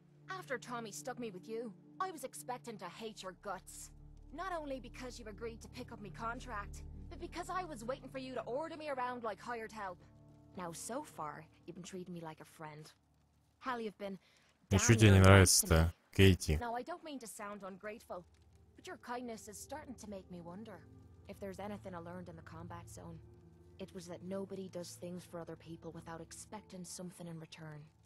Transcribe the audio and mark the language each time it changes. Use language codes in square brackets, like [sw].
[en] After Tommy stuck me with you, I was expecting to hate your guts. Not only because you agreed to pick up my contract, but because I was waiting for you to order me around like hired help. Now so far, you've been treating me like a friend. Hell, you've been. [ru] Ничего тебе не нравится-то, Кейти. [en] Now, I don't mean to sound ungrateful, but your kindness is starting to make me wonder if there's anything I learned in the combat zone. It was that nobody does things for other people without expecting something in return.